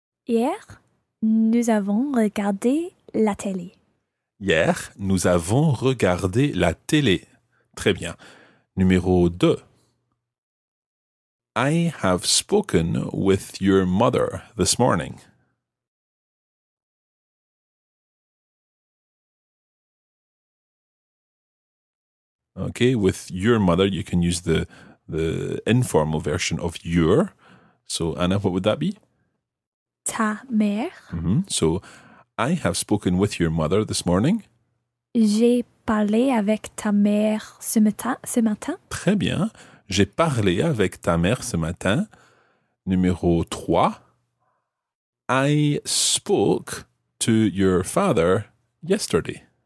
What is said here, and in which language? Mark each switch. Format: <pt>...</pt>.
<fr>Hier, nous avons regardé la télé. Hier, nous avons regardé la télé. Très bien. Numéro 2.</fr> <en>I have spoken with your mother this morning. Okay, with your mother, you can use the informal version of your. So, Anna, what would that be?</en> <fr>Ta mère. Mm-hmm.</fr> <en>So, I have spoken with your mother this morning.</en> <fr>J'ai parlé avec ta mère ce matin. Très bien. J'ai parlé avec ta mère ce matin. Numéro 3.</fr> <en>I spoke to your father yesterday.</en>